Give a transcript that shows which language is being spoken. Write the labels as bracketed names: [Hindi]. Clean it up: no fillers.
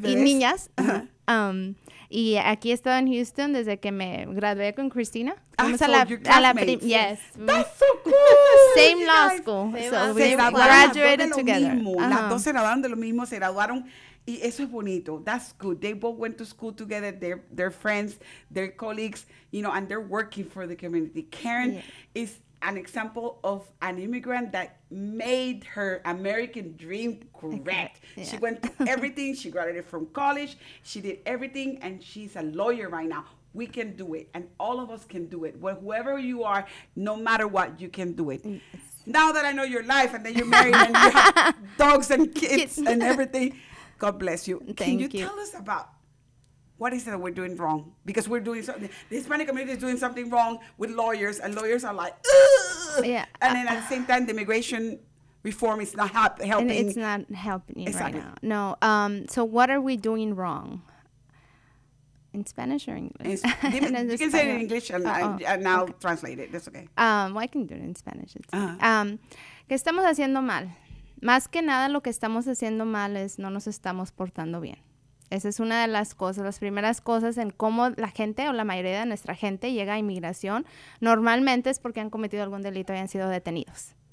[Spanish] niñas. Y aquí he estado en Houston desde que me gradué con Cristina. [English] Yes. That's so cool. Same law school. [Spanish] Graduaron de lo mismo. Las dos se graduaron de lo mismo, se graduaron. Y eso es bonito. [English] That's good. They both went to school together. They're friends, their colleagues, you know, and they're working for the community. Karen is an example of an immigrant that made her American dream correct. Okay. Yeah. She went to everything. She graduated from college. She did everything, and she's a lawyer right now. We can do it, and all of us can do it. Well, whoever you are, no matter what, you can do it. Yes. Now that I know your life, and then you're married, and you have dogs and kids and everything, God bless you. Thank you. Tell us about what is it that we're doing wrong? Because we're doing something. The Hispanic community is doing something wrong with lawyers, and lawyers are like, ugh! Yeah. And then at the same time, the immigration reform is not helping. And it's not helping right now. No. So what are we doing wrong? In Spanish or English? You can say it in English, and I'll translate it. That's okay. Well, I can do it in Spanish. It's [Spanish] ¿qué estamos haciendo mal? Más que nada, lo que estamos haciendo mal es no nos estamos portando bien. Esa es una de las cosas, las primeras cosas en cómo la gente o la mayoría de nuestra gente llega a inmigración. Normalmente es porque han cometido algún delito y han sido detenidos.